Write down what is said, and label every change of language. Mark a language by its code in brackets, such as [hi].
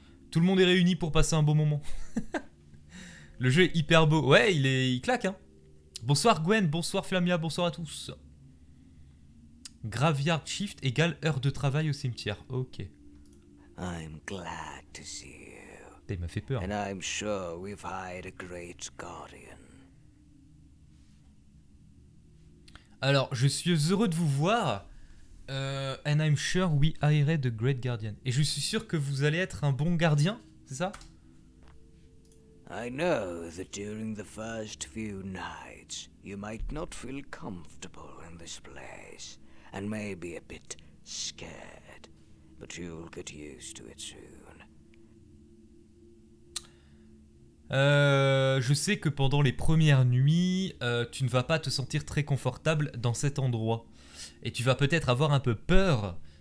[fr] Tout le monde est réuni pour passer un beau moment. Le jeu est hyper beau. Ouais, il claque hein. Bonsoir Gwen, bonsoir Flamia, bonsoir à tous. [en] Graveyard shift [fr] égale heure de travail au cimetière. Ok. [en] I'm glad to see you. [fr] Putain, il m'a fait peur. [en] And I'm sure we've hired a great guardian. [fr] Alors, je suis heureux de vous voir. [en] And I'm sure we hired a great guardian. [fr] Et je suis sûr que vous allez être un bon gardien, c'est ça? [en] I know that during the first few nights, you might not feel comfortable in this place, and maybe a bit scared, but you'll get used to it soon. [fr] Je sais que pendant les premières nuits, tu ne vas pas te sentir très confortable dans cet endroit. Et tu vas peut-être avoir un peu peur.